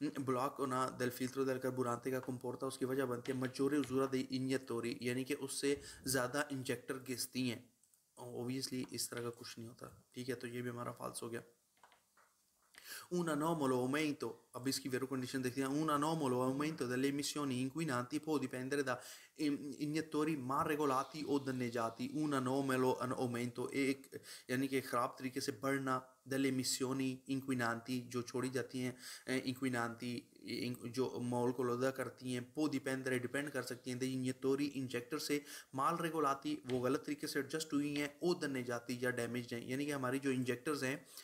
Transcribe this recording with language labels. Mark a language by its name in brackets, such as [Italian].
[Hindi] Block होना दल फिल्ट्रो दल कर्बुरांते का कंपोर्टा उसकी वजह बनती है मजोरे उजुरा दे इनियतोरी, यानी कि उससे ज़्यादा इंजेक्टर घिसती हैं, ओबियसली इस तरह का कुछ नहीं होता, ठीक है, तो ये भी हमारा फॉल्स हो गया। [Italian] Un anomalo aumento, [Hindi] अब इसकी वेरो कंडीशन देखते हैं। [Italian] un anomalo aumento delle emissioni inquinanti può dipendere da iniettori mal regolati o danneggiati. un anomalo aumento, [Hindi] एक यानी कि खराब तरीके से बढ़ना [Italian] delle emissioni inquinanti, [Hindi] जो छोड़ी जाती हैं inquinanti, जो माहौल को लुदा करती हैं, [Italian] può dipendere, [Hindi] डिपेंड कर सकती हैं, [Italian] degli iniettori [Hindi] इंजेक्टर से, [Italian] mal regolati, [Hindi] वो गलत तरीके से एडजस्ट हुई हैं, [Italian] o danneggiati, [Hindi] या डैमेज हैं, यानी कि हमारी जो इंजेक्टर्स हैं